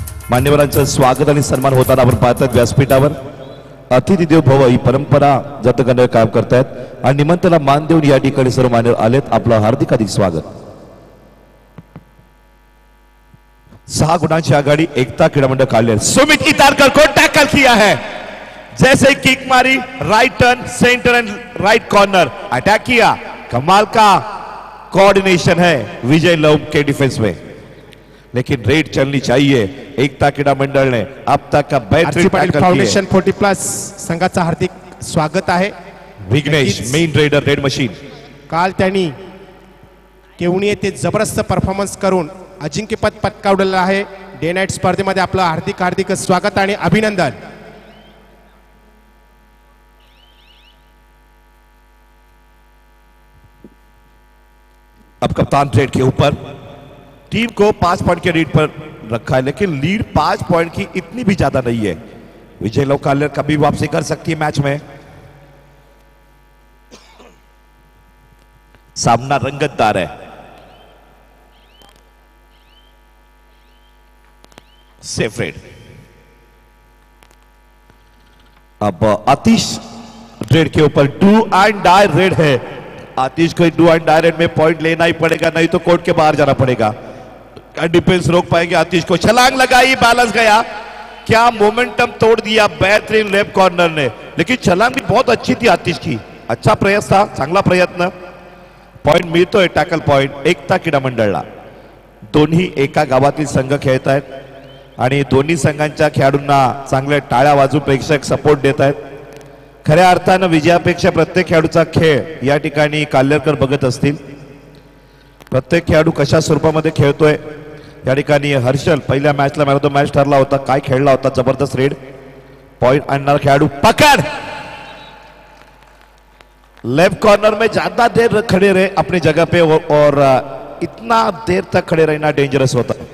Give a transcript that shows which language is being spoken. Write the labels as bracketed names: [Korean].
[Marathi] मान्यवरांचं स्वागत आणि सन्मान होताना आपण पाहतात व्यासपीठावर. अतिथिदेव भव ही परंपरा जतगणे काम करतायत आणि निमंत्रणाला मान देऊन या ठिकाणी सर्व मान्यवर आलेत. आपलं हार्दिकाधिक स्वागत. 6 गुणांची आघाडी एकता क्रीडा मंडळ काढले. [Hindi] सुमित इतारकर को टॅकल किया है. जैसे किक मारी right turn centre and right corner attack किया. कमाल का कोऑर्डिनेशन है विजय लव के डिफेंस में. लेकिन रेड चलनी चाहिए. एकता क्रीडा मंडळ ने अब तक का बेहतरीन [Marathi] टॅकल फाउंडेशन 40+ संघाचा हार्दिक स्वागत आहे. [English] Vighnesh main raider raid machine [Marathi] काल त्यांनी केवणी येथे जबरदस्त परफॉर्मन्स करून अजिंक्यपद पटकावलेलं आहे. डे नाईट स्पर्धेमध्ये आपलं हार्दिक स्वागत आणि अभिनंदन. [Hindi] अब कप्तान रेड के ऊपर टीम को 5 पॉइंट के लीड पर रखा है लेकिन लीड 5 पॉइंट की इतनी भी ज्यादा नहीं है. विजय लोकाल्यर कभी वापसी कर सकती है मैच में. [Marathi] सामना रंगतदार है. [English] Safe raid. [Hindi] अब आतिश रेड के ऊपर डू एंड डाई रेड है. आतिश को डू एंड डाई रेड में पॉइंट लेना ही पड़ेगा नहीं तो कोर्ट के बाहर जाना पड़ेगा. डिफेंस रोक पाएंगे आतिश को. छलांग लगाई बैलेंस गया. क्या मोमेंटम तोड़ दिया बेहतरीन लेफ्ट कॉर्नर ने. लेकिन छलांग भी बहुत अच्छी थी आतिश की. अच्छा प्रयास था [Marathi] चांगला प्रयत्न. पॉइंट मिळतोय टॅकल पॉइंट एकता क्रीडा मंडळला. दोन्ही एका गावातील संघ खेळत आहेत. आणि दोन्ही संघांच्या खेळाडूंना चांगले टाळ्या वाजवून प्रेक्षक सपोर्ट देत आहेत. खऱ्या अर्थाने विजयापेक्षा प्रत्येक खेळाडूचा खेळ या ठिकाणी काल्लेकर बघत असतील. प्रत्येक खेळाडू कशा स्वरूपामध्ये खेळतोय या ठिकाणी हर्षल पहिल्या मॅचला मॅन ऑफ द मॅच ठरला होता, काय खेळला होता, जबरदस्त रेड पॉइंट आणणार खेळाडू [Hindi] पकड लेफ्ट कॉर्नर में. ज्यादा देर खड़े रहे अपनी जगह पे और इतना देर तक खड़े रहना डेंजरस होता.